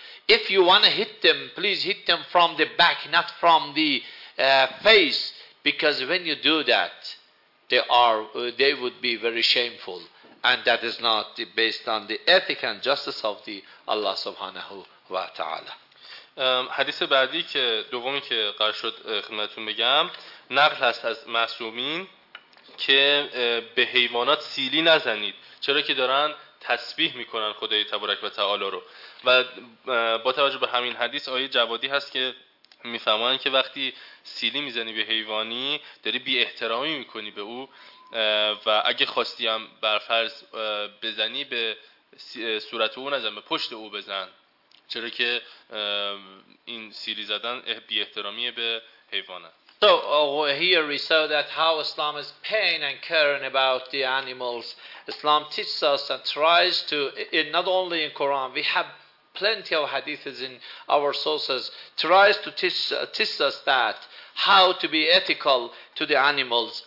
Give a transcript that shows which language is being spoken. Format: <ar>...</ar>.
<en>If you want to hit them, please hit them from the back, not from the face, because when you do that, they would be very shameful, and that is not based on the ethic and justice of the Allah</en> <ar>subhanahu wa ta'ala.</ar> <fa>حدیث بعدی که دومی که قرار شد خدمتتون بگم نقل هست از معصومین که به حیوانات سیلی نزنید چرا که دارن تسبیح میکنن خدای تبارک و تعالی رو و با توجه به همین حدیث آیه جوادی هست که میفهمن که وقتی سیلی میزنی به حیوانی داری بی احترامی میکنی به او و اگه خواستی هم برفرض بزنی به صورت او نزن به پشت او بزن چرا که این سیلی زدن بی احترامی به حیوانه.</fa> <en>So here we saw that how Islam is paying and caring about the animals. Islam teaches us and tries to, not only in Quran, we have plenty of hadiths in our sources, tries to teach us that how to be ethical to the animals.</en>